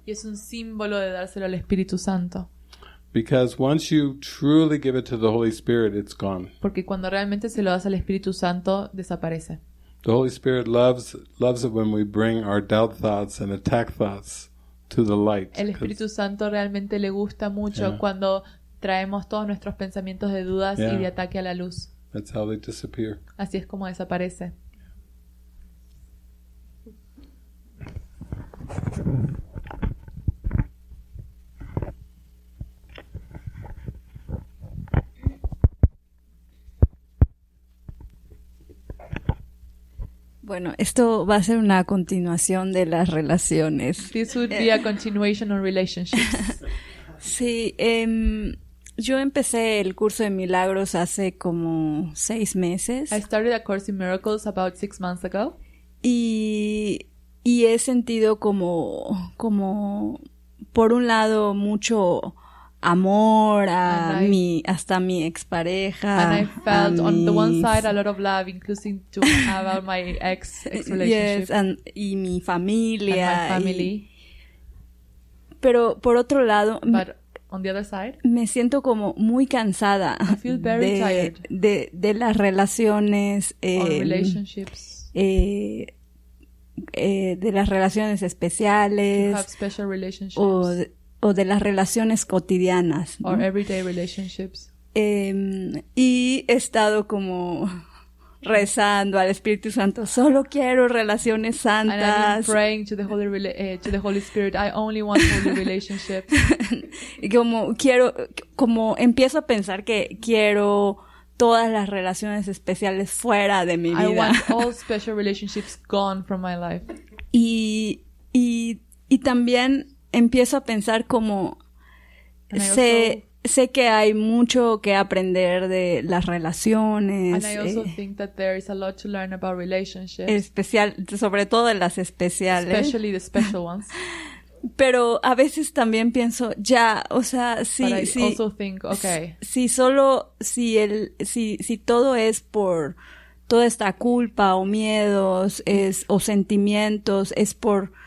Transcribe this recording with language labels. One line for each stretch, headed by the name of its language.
Spanish: Y es un símbolo de dárselo al Espíritu Santo.
English: Because once you truly give it to the Holy Spirit, it's gone.
Spanish: Porque cuando realmente se lo das al Espíritu Santo, desaparece.
English: The Holy Spirit loves it when we bring our doubt thoughts and attack thoughts to the light.
Spanish: El Espíritu Santo realmente le gusta mucho cuando traemos todos nuestros pensamientos de dudas y de ataque a la luz.
English: That's how they disappear.
Spanish: Así es como desaparece. Bueno, esto va a ser una continuación de las relaciones.
English: This would be a continuation of relationships.
Spanish: Sí, Yo empecé el curso de milagros hace como 6 meses.
English: I started a course in miracles about 6 months ago.
Spanish: Y he sentido como por un lado mucho amor hasta mi expareja.
English: And I felt on the one side a lot of love, including to about my ex-relationship.
Spanish: Yes, y mi familia.
English: And my family.
Spanish: Pero por otro lado,
English: on the other side,
Spanish: me siento como muy cansada de las relaciones, de las relaciones especiales o de las relaciones cotidianas,
English: ¿no? Or everyday relationships.
Spanish: Y he estado como rezando al Espíritu Santo, solo quiero relaciones santas.
English: And I've been praying to the Holy, to the Holy Spirit, I only want holy relationships.
Spanish: Y como empiezo a pensar que quiero todas las relaciones especiales fuera de mi vida.
English: I want all special relationships gone from my life.
Spanish: Y también empiezo a pensar como sé que hay mucho que aprender de las relaciones.
English: And I also think that there is a lot to learn about relationships.
Spanish: Especial, sobre todo de las especiales.
English: Especially the special ones.
Spanish: Pero a veces también pienso, ya, o sea, si todo es por toda esta culpa o miedos o sentimientos, es por...